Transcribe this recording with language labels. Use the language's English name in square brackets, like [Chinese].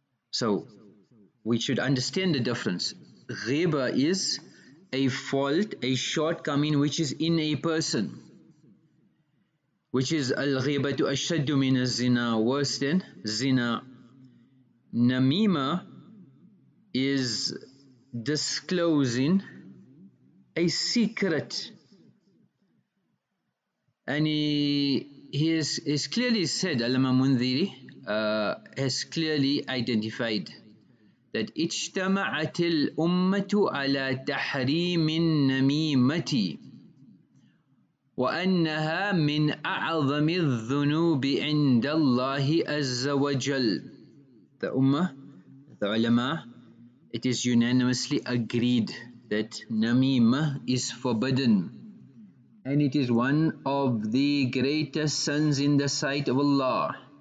[English] So, we should understand the difference. Ghiba is a fault, a shortcoming which is in a person. Which is [Arabic] al-ghiba to ashaddu min al-zina, [English] worse than zina. Namima is disclosing a secret. And he is clearly said, al-Mundhiri, has clearly identified that [Arabic] اجتمعت الأمة على تحريم النميمة وأنها من أعظم الذنوب عند الله عز وجل. [English] The Ummah, the Ulama, it is unanimously agreed that Namima is forbidden, and it is one of the greatest sins in the sight of Allah.